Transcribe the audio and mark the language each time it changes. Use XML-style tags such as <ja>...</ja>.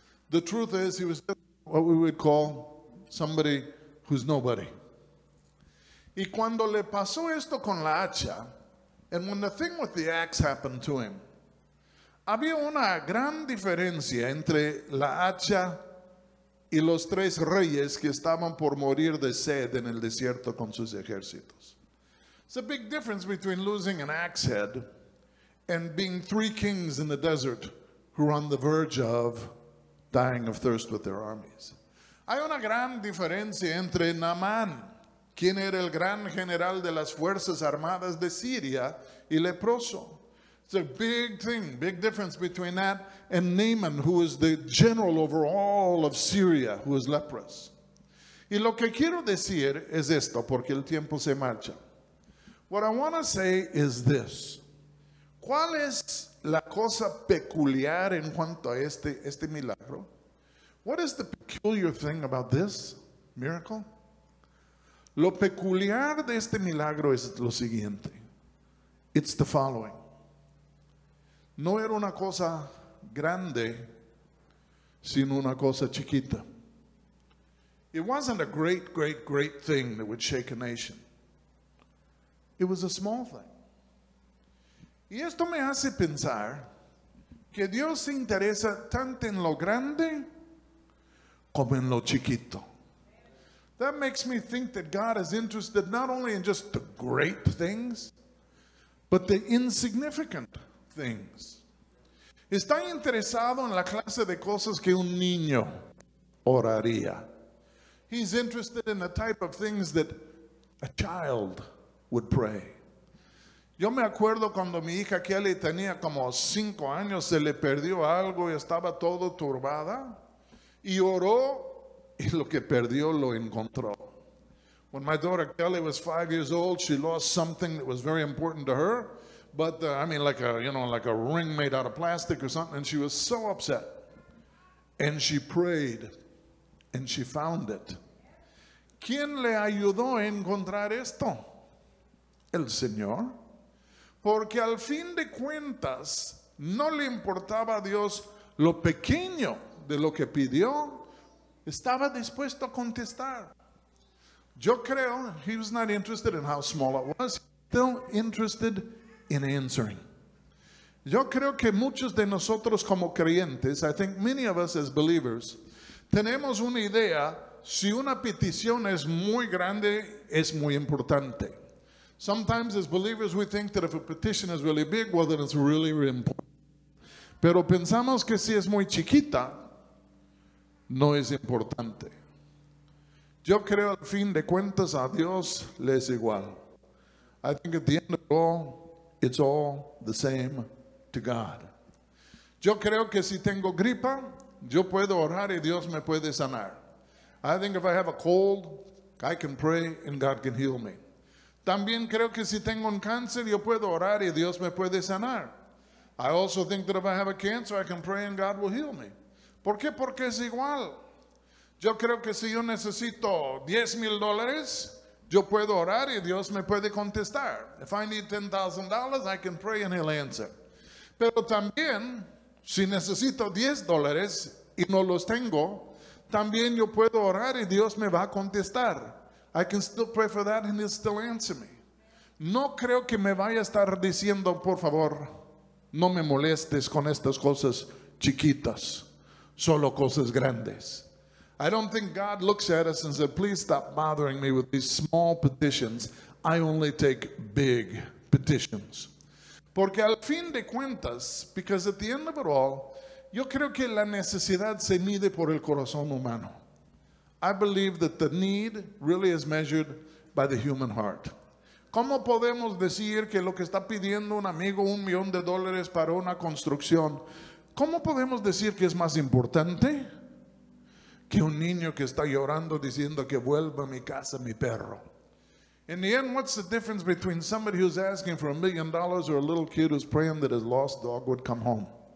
<en>The truth is, he was what we would call somebody who's nobody.</en> <es>Y cuando le pasó esto con la hacha,</es> <en>and when the thing with the axe happened to him,</en> <es>había una gran diferencia entre la hacha y los tres reyes que estaban por morir de sed en el desierto con sus ejércitos.</es> <en>It's a big difference between losing an axe head and being three kings in the desert who are on the verge of dying of thirst with their armies.</en> <es>Hay una gran diferencia entre Naamán, quien era el gran general de las fuerzas armadas de Siria, y leproso.</es> <en>It's a big thing, big difference between that and Naaman, who is the general over all of Syria, who is leprous.</en> <es>Y lo que quiero decir es esto, porque el tiempo se marcha.</es> <en>What I want to say is this.</en> <es>¿Cuál es la cosa peculiar en cuanto a este milagro?</es> <en>What is the peculiar thing about this miracle?</en> <es>Lo peculiar de este milagro es lo siguiente.</es> <en>It's the following.</en> <es>No era una cosa grande, sino una cosa chiquita.</es> <en>It wasn't a great, great, great thing that would shake a nation. It was a small thing.</en> <es>Y esto me hace pensar que Dios se interesa tanto en lo grande como en lo chiquito.</es> <en>That makes me think that God is interested not only in just the great things, but the insignificant things.</en> <es>Está interesado en la clase de cosas que un niño oraría.</es> <en>He's interested in the type of things that a child would pray.</en> <es>Yo me acuerdo cuando mi hija Kelly tenía como 5 años, se le perdió algo y estaba todo turbada. Y oró y lo que perdió lo encontró.</es> <en>When my daughter Kelly was 5 years old, she lost something that was very important to her. But, like a ring made out of plastic or something. And she was so upset. And she prayed. And she found it.</en> <es>¿Quién le ayudó a encontrar esto? El Señor. Porque al fin de cuentas, no le importaba a Dios lo pequeño de lo que pidió. Estaba dispuesto a contestar. Yo creo,</es> <en>he was not interested in how small it was. Still interested in answering.</en> <es>Yo creo que muchos de nosotros como creyentes,</es> <en>I think many of us as believers,</en> <es>tenemos una idea si una petición es muy grande, es muy importante.</es> <en>Sometimes as believers we think that if a petition is really big, well then it's really, really important.</en> <es>Pero pensamos que si es muy chiquita, no es importante. Yo creo al fin de cuentas a Dios le es igual.</es> <en>I think at the end of all, it's all the same to God.</en> <es>Yo creo que si tengo gripa, yo puedo orar y Dios me puede sanar.</es> <en>I think if I have a cold, I can pray and God can heal me.</en> <es>También creo que si tengo un cáncer, yo puedo orar y Dios me puede sanar.</es> <en>I also think that if I have a cancer, I can pray and God will heal me.</en> <es>¿Por qué? Porque es igual. Yo creo que si yo necesito $10,000, yo puedo orar y Dios me puede contestar.</es> <en>If I need $10,000, I can pray and he'll answer.</en> <es>Pero también, Si necesito $10 y no los tengo, también yo puedo orar y Dios me va a contestar.</es> <en>I can still pray for that and he'll still answer me.</en> <es>No creo que me vaya a estar diciendo, por favor, no me molestes con estas cosas chiquitas, solo cosas grandes.</es> <en>I don't think God looks at us and says, please stop bothering me with these small petitions. I only take big petitions.</en> <es>Porque al fin de cuentas,</es> <en>because at the end of it all,</en> <es>yo creo que la necesidad se mide por el corazón humano.</es> <en>I believe that the need really is measured by the human heart.</en> <es>¿Cómo podemos decir que lo que está pidiendo un amigo $1,000,000 para una construcción, cómo podemos decir que es más importante que un niño que está llorando diciendo que vuelva a mi casa mi perro?</es> <en>In the end, what's the difference between somebody who's asking for $1,000,000 or a little kid who's praying that his lost dog would come home?</en>